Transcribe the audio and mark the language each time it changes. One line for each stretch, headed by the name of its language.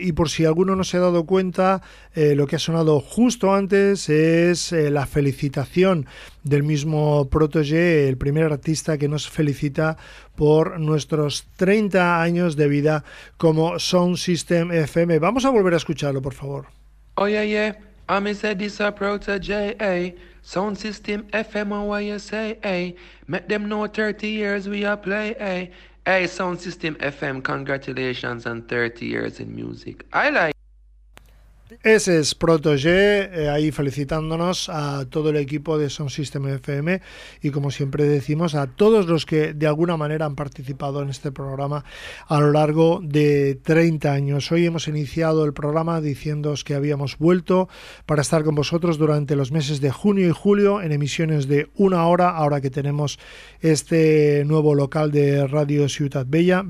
Spanish: Y por si alguno no se ha dado cuenta, lo que ha sonado justo antes es la felicitación del mismo Protégé, el primer artista que nos felicita por nuestros 30 años de vida como Sound System FM. Vamos a volver a escucharlo, por favor.
English: Oh yeah, yeah, I mean say this a Protégé, eh? Sound System FM, what you say, eh? Make them know 30 years we are play, eh? Hey, Sound System FM, congratulations on 30 years in music. I like.
Spanish: Ese es Protégé, ahí felicitándonos a todo el equipo de Sound System FM y, como siempre decimos, a todos los que de alguna manera han participado en este programa a lo largo de 30 años. Hoy hemos iniciado el programa diciéndoos que habíamos vuelto para estar con vosotros durante los meses de junio y julio en emisiones de una hora, ahora que tenemos este nuevo local de Radio Ciutat Vella.